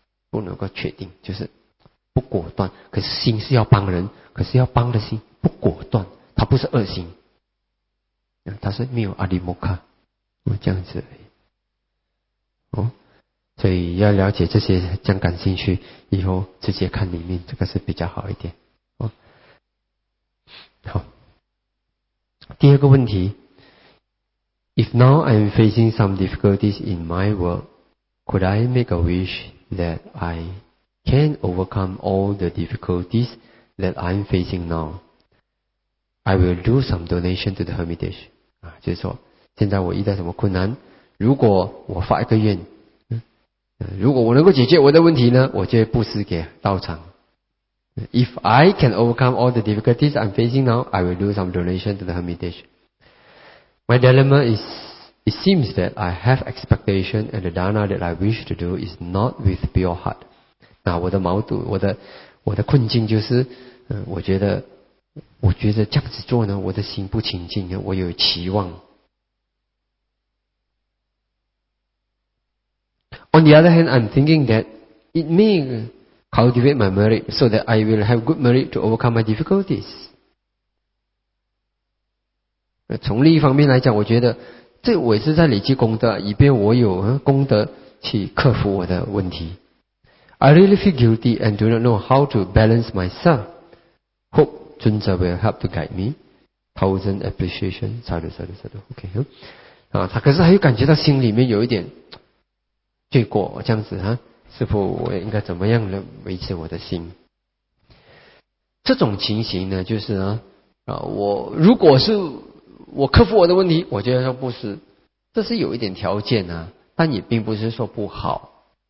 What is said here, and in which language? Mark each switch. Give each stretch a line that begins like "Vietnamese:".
Chinese: 不能够确定，就是不果断，可是心是要帮人，可是要帮的心不果断，他不是恶心，他是没有阿迪摩卡，这样子而已。哦，所以要了解这些，将感兴趣，以后直接看里面，这个是比较好一点。哦，好。第二个问题
English: ，If now I am facing some difficulties in my work, could I make a wish that I can overcome all the difficulties that I am facing now? I will do some donation to the Hermitage.
Chinese: 啊，就是说，现在我遇到什么困难？如果我发一个愿，如果我能够解决我的问题呢，我就会布施给道场。
English: If I can overcome all the difficulties I'm facing now, I will do some donation to the Hermitage. My dilemma is, it seems that I have expectation and the dana that I wish to do is not with pure heart.
Chinese: 那我的矛盾，我的困境就是，我觉得这样子做呢，我的心不清净，我有期望。
English: On the other hand, I'm thinking that it may cultivate my merit so that I will have good merit to overcome my difficulties.
Chinese: 从另一方面来讲，我觉得这我也是在累积功德，以便我有功德去克服我的问题。
English: I really feel guilty and do not know how to balance myself. Hope 尊者 will help to guide me. Thousand appreciation.
Chinese: 差多差多差多 OK 啊，他可是还有感觉到心里面有一点罪过，这样子哈，师父，我应该怎么样来维持我的心？这种情形呢，就是啊，我如果是我克服我的问题，我就要说布施，这是有一点条件啊，但也并不是说不好。